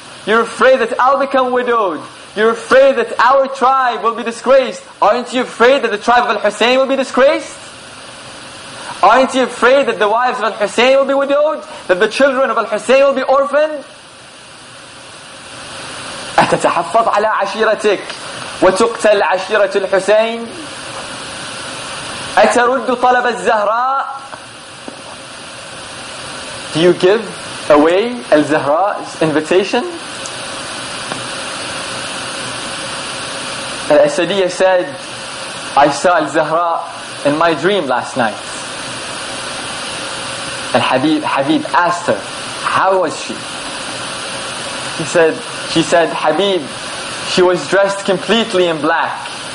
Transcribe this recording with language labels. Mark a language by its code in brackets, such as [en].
[en] You're afraid that I'll become widowed. You're afraid that our tribe will be disgraced. Aren't you afraid that the tribe of Al-Husayn will be disgraced? Aren't you afraid that the wives of Al-Husayn will be widowed? That the children of Al-Husayn will be orphaned? [ar] أتتحفظ على عشيرتك وتقتل عشيرة الحسين؟ أترد طلب الزهراء؟ [en] Do you give away Al-Zahra's invitation? Al-Asadiyya said, I saw Al-Zahra in my dream last night. Al-Habib asked her, how was she? She said, Habib, she was dressed completely in black.